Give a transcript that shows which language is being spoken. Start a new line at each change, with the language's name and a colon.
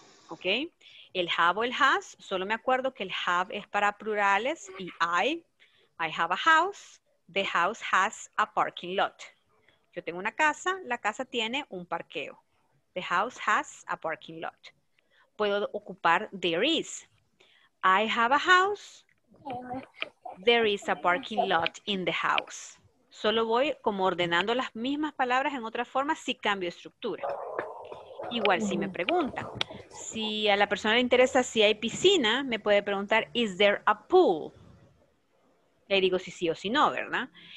Spanish: ¿Ok? El have o el has, solo me acuerdo que el have es para plurales y
English: I have a house, the house has a parking lot.
Spanish: Yo tengo una casa, la casa tiene un parqueo.
English: The house has a parking lot.
Spanish: Puedo ocupar
English: there is. I have a house, there is a parking lot in the house.
Spanish: Solo voy como ordenando las mismas palabras en otra forma si cambio estructura. Igual si me pregunta, si a la persona le interesa si hay piscina, me puede preguntar,
English: ¿is there a pool?
Spanish: Le digo si sí o si no, ¿verdad?